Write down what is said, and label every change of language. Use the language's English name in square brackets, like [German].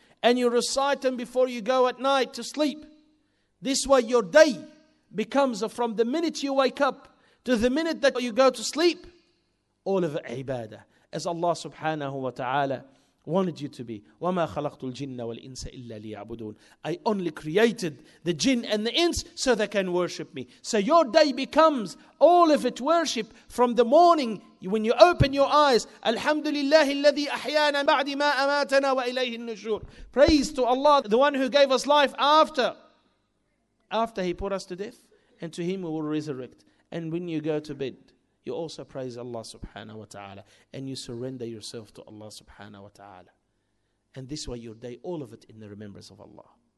[English] And you recite them before you go at night to sleep. This way your day becomes from the minute you wake up to the minute that you go to sleep, all of ibadah. As Allah subhanahu wa ta'ala wanted you to be. [Arabic] وَمَا خَلَقْتُ الْجِنَّ وَالْإِنسَ إِلَّا لِيَعْبُدُونَ. [English] I only created the jinn and the ins so they can worship me. So your day becomes all of it worship from the morning when you open your eyes. [Arabic] Alhamdulillahi الَّذِي أَحْيَانَا بَعْدِ مَا أَمَاتَنَا وَإِلَيْهِ النُّشُورِ. [English] Praise to Allah, the one who gave us life after he put us to death, and to him we will resurrect. And when you go to bed, you also praise Allah subhanahu wa ta'ala. And you surrender yourself to Allah subhanahu wa ta'ala. And this way your day, all of it in the remembrance of Allah.